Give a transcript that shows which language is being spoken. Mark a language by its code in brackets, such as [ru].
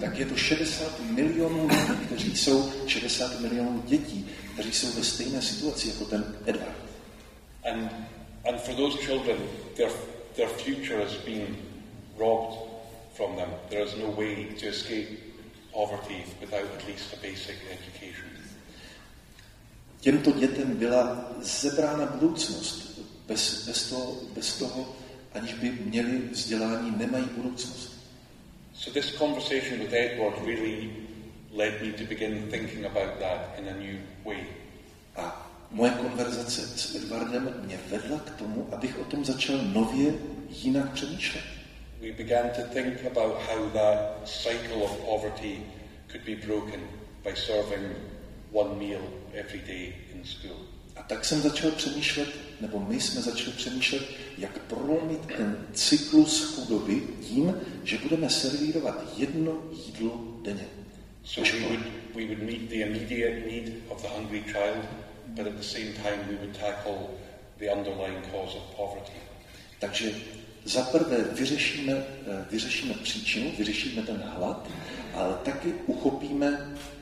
[cs] Tak je to 60 milionů lidí, kteří jsou 60 milionů dětí, kteří jsou ve stejné situaci jako ten Edward. [en] And for those children, their future has been robbed from them. There is no way to escape poverty without at least a basic education. [cs] Těmto dětem byla zebrána budoucnost. Bez toho, aniž by měli vzdělání, nemají budoucnost. [en] So this conversation with Edward really led me to begin thinking about that in a new way. [cs] A moje konverzace s Edwardem mě vedla k tomu, abych o tom začal nově, jinak přemýšlet. [en] we began to think about how that cycle of poverty could be broken by serving one meal every day in school. [cs] A tak jsem začal přemýšlet, nebo my jsme začali přemýšlet, jak prolomit ten cyklus chudoby tím, že budeme servírovat jedno jídlo denně. [en] So we would meet the immediate need of the hungry child, but at the same time we would tackle the underlying cause of poverty. [cs] Takže za prvé vyřešíme příčinu, vyřešíme ten hlad, ale taky uchopíme